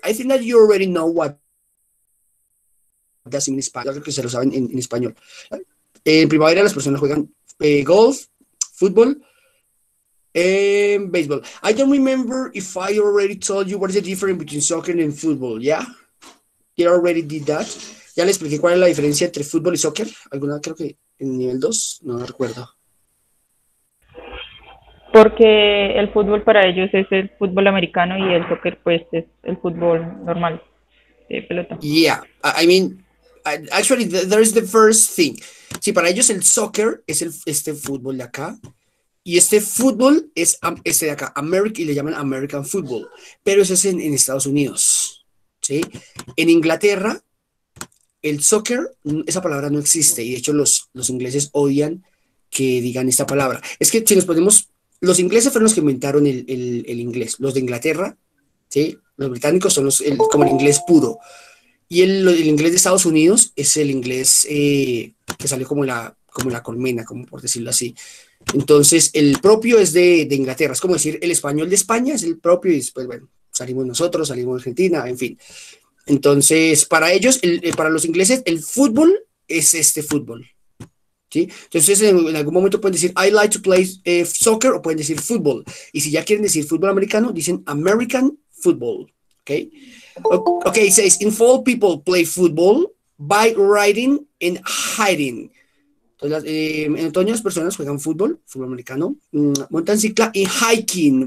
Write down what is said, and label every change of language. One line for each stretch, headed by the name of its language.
English: I think that you already know what that's in Spanish.
Spanish: Creo que se lo saben en español. En primavera, las personas juegan golf, football, and baseball.
English: I don't remember if I already told you what is the difference between soccer and football, yeah? You already did that.
Spanish: Ya le expliqué cuál es la diferencia entre fútbol y soccer. Alguna creo que en nivel 2, no recuerdo. Porque el fútbol para ellos es el fútbol americano y el soccer pues es el fútbol normal de pelota.
English: Yeah, I mean, actually, there is the first thing.
Spanish: Sí, para ellos el soccer es este fútbol de acá. Y este fútbol es este de acá, America, y le llaman American Football. Pero eso es en Estados Unidos, ¿sí? En Inglaterra, el soccer, esa palabra no existe. Y de hecho, los ingleses odian que digan esta palabra. Es que si nos ponemos, los ingleses fueron los que inventaron el inglés. Los de Inglaterra, ¿sí? Los británicos son como el inglés puro. Y el inglés de Estados Unidos es el inglés que salió como la colmena, como por decirlo así. Entonces, el propio es de Inglaterra. Es como decir, el español de España es el propio. Y después, bueno, salimos nosotros, salimos de Argentina, en fin. Entonces, para ellos, para los ingleses, el fútbol es este fútbol. ¿Sí? Entonces, en algún momento pueden decir,
English: I like to play soccer,
Spanish: o pueden decir fútbol. Y si ya quieren decir fútbol americano, dicen American football. Okay.
English: Okay, it says, in fall, people play football by riding and hiding.
Spanish: Entonces, en otoño las personas juegan fútbol americano, montan cicla y hiking.